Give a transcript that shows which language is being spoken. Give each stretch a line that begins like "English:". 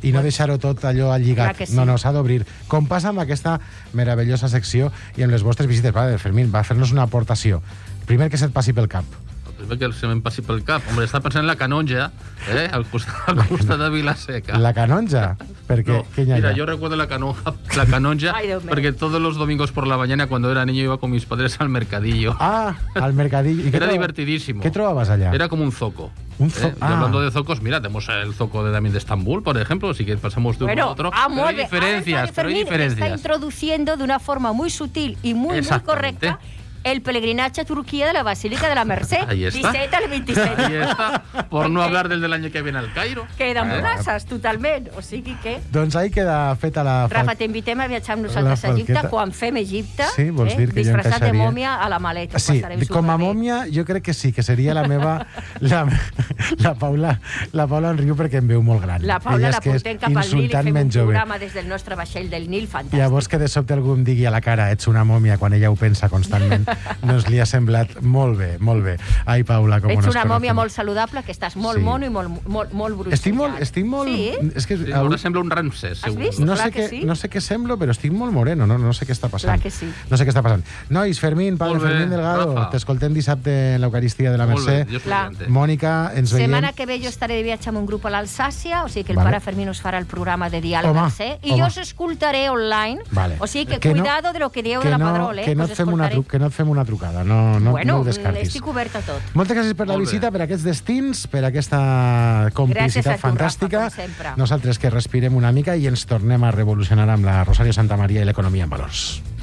Catalan: I no deixar-ho tot allò lligat. No, s'ha d'obrir. Com passa amb aquesta meravellosa secció i amb les vostres visites. Va, Fermín, va fer-nos una aportació. Primer que se't passi pel cap. Que se me'n passi pel cap. Hombre, està pensant en la Canonja, al costat de Vilaseca. La Canonja? Perquè, no, que mira, jo recordo la Canonja perquè
Spanish: todos los domingos por la mañana cuando era niño iba con mis padres al mercadillo. Ah, al mercadillo. Era divertidísimo.
Catalan: ¿Qué trobaves allà? Era com un zoco.
Spanish: Y hablando de zocos, mira, tenemos el zoco también de Estambul, por ejemplo, así que pasamos de uno a otro. Pero hay diferencias. Está introduciendo de una forma muy sutil y muy, muy correcta
Catalan: el pelegrinatge a Turquia de la Basílica de la Mercè,
Spanish: 17 al 27. Ahí está, por no hablar del año que viene al Cairo.
Catalan: Queda amb places, totalment. O sigui que... Doncs ahí queda feta la... Rafa, t'invitem a viatjar amb nosaltres a Egipte quan fem Egipte. Sí, vols dir que jo encaixaria. Disfressat de mòmia a la maleta. Sí, com a mòmia, jo crec que sí, que seria la meva... La Paula en riu perquè em veu molt gran. La Paula la portem cap al Nil i fem un programa des del nostre vaixell del Nil, fantàstic. Llavors que de sobte algú em digui a la cara ets una mòmia quan ella ho pensa constantment. Doncs li ha semblat molt bé, molt bé. Ai, Paula, com ets una mòmia molt saludable, que estàs molt mono i molt bruixat. Estic molt... Sí? És que, sí, ara sembla un Ramsès, segur. Has vist? No sé què semblo, però estic molt moreno, no sé què està passant. Clar que sí. No sé què està passant. Nois, Fermín, Pablo, Fermín Delgado, t'escoltem dissabte en l'Eucaristia de la Mercè. Mònica, ens veiem. Setmana que ve jo estaré de viatge amb un grup a l'Alsàcia, o sigui que el pare Fermín us farà el programa de dia al Mercè, i jo us escoltaré online. Vale. O sigui que
Spanish: cuidado de lo que
Catalan: dieu de la Pedrol, que no et fem una truca. Fem una trucada, no ho descartis. Estic oberta a tot. Moltes gràcies per la visita, per aquests destins, per aquesta complicitat fantàstica. Gràcies a tu, Rafa, com sempre. Nosaltres que respirem una mica i ens tornem a revolucionar amb la Rosario Santamaría i l'Economia en Valors.